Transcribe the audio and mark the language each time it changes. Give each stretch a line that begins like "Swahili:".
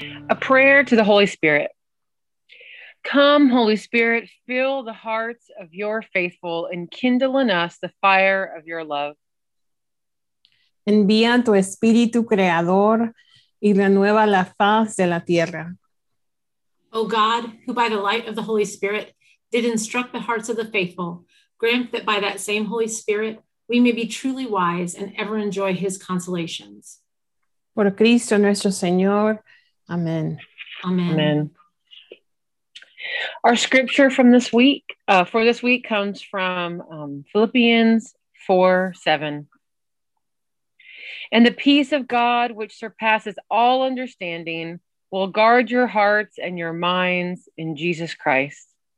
English: A prayer to the Holy Spirit. Come, Holy Spirit, fill the hearts of your faithful and kindle in us the fire of your love.
Spanish: Envía tu espíritu creador y renueva la faz de la tierra.
English: O God, who by the light of the Holy Spirit did instruct the hearts of the faithful, grant that by that same Holy Spirit we may be truly wise and ever enjoy his consolations.
Spanish: Por Cristo nuestro Señor.
English: Amen. Amen. Amen. Our scripture from this week, for this week, comes from Philippians 4:7. And the peace of God, which surpasses all understanding, will guard your hearts and your minds in Jesus Christ.